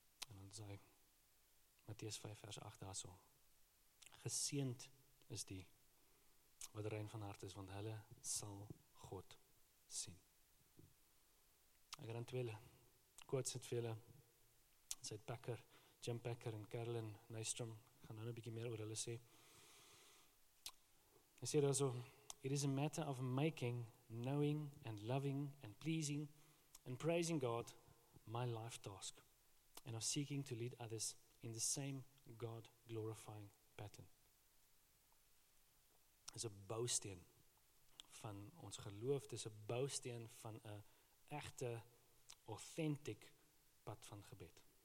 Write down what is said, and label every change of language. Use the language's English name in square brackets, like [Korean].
[Afrikaans] En dan sê Matteus 5 vers 8 daar so, geseend is die wat rein van hart is, want hulle sal God sien. Ek rand twee quotes het vir hulle, sê Packer, Jim Packer en Carolyn Nystrom, gaan nou 'n bietjie meer oor hulle sê. Hy sê daarso, [English] it is a matter of making, knowing and loving and pleasing and praising God my life task and of seeking to lead others in the same God glorifying pattern. [Afrikaans] Dis 'n bousteen van ons geloof, dis 'n bousteen van 'n egte authentic pad van gebed.